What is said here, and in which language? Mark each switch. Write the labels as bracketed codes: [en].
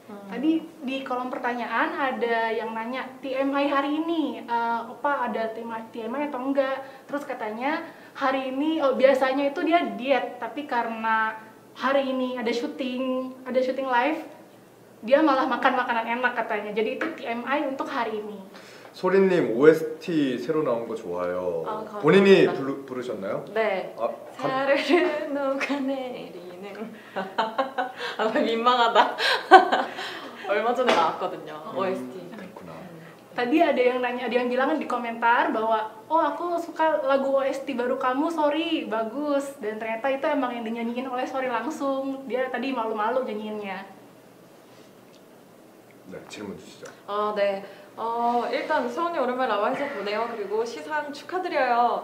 [ko] 아니 [id] di kolom pertanyaan ada yang nanya TMI hari ini apa ada TMI atau enggak? Terus katanya hari ini biasanya itu dia diet tapi karena hari ini ada syuting live dia malah makan makanan enak katanya. Jadi itu TMI untuk hari ini. [ko] 소리님 OST 새로 나온 거 좋아요. 아, 본인이 부르셨나요? 네. 아, 사르르 녹아내리는. 아, 민망하다. 얼마 전에 나왔거든요. OST. 그렇구나. [id] Tadi ada yang bilang di komentar bahwa oh aku suka lagu OST baru kamu Sorry bagus dan ternyata itu emang yang dinyanyiin oleh Sorry langsung dia tadi malu-malu nyanyiinnya. [ko] 네 질문 주시죠. 아 네. 일단 서훈이 오랜만에 나와서 보네요. 그리고 시상 축하드려요.